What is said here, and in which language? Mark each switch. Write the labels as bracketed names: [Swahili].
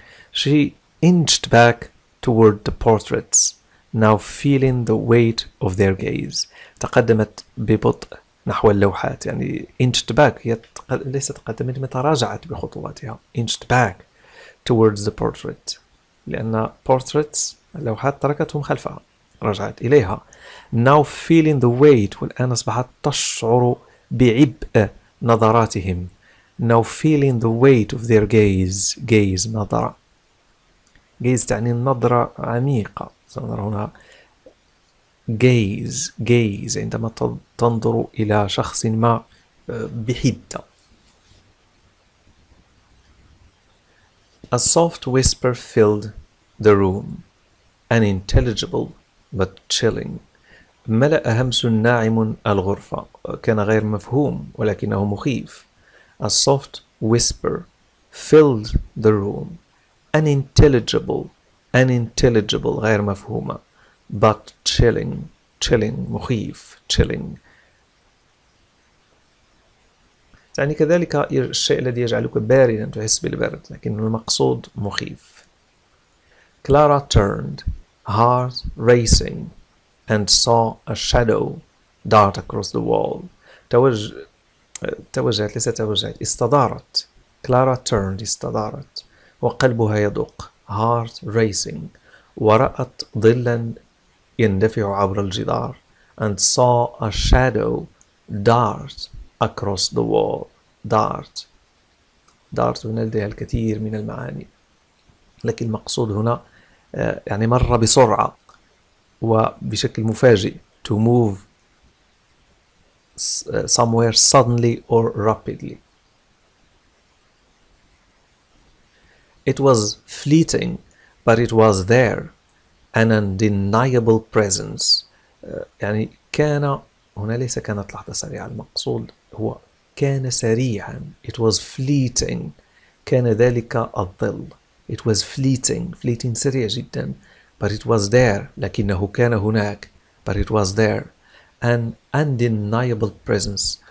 [English] She inched back toward the portraits, now feeling the weight of their gaze. [Arabic] تقدمت ببطء نحو اللوحات. يعني [English] inched back [Arabic] هي ليست تقدمت، ما تراجعت بخطواتها. [English] Inched back towards the portrait. [Arabic] لأن portraits اللوحات تركتهم خلفها. رجعت إليها. [English] Now feeling the weight. [Arabic] والآن أصبحت تشعر بعبء نظراتهم. [English] Now feeling the weight of their gaze. Gaze نظرة. [Arabic] Gaze تعني نظرة عميقة. سنرى هنا gaze عندما تنظر إلى شخص ما بحدة. [English] A soft whisper filled the room, an intelligible but chilling. [Arabic] ملأ همس ناعم الغرفة. كان غير مفهوم ولكنه مخيف. [English] A soft whisper filled the room. [Arabic] Unintelligible, غير مفهومة. [English] But chilling, مخيف, chilling. [Arabic] يعني كذلك الشيء الذي يجعلك باردا، تحس بالبرد، لكن المقصود مخيف. [English] Clara turned, heart racing, and saw a shadow dart across the wall. [Arabic] توجهت، ليس توجهت، استدارت. [English] Clara turned, [Arabic] استدارت. وقلبها يدق. [English] Heart racing. [Arabic] ورأت ظلا يندفع عبر الجدار. [English] And saw a shadow dart across the wall. Dart. [Arabic] Dart هنا لديها الكثير من المعاني. لكن المقصود هنا يعني مر بسرعة وبشكل مفاجئ. [English] To move somewhere suddenly or rapidly. It was fleeting, but it was there, an undeniable presence. [Arabic] يعني كان هنا ليس كانت لحظة سريعة، المقصود هو كان سريعا. [English] It was fleeting. [Arabic] كان ذلك الظل. [English] It was fleeting. Fleeting [Arabic] سريع جدا. [English] But it was there. [Arabic] لكنه كان هناك. [English] But it was there. An undeniable presence.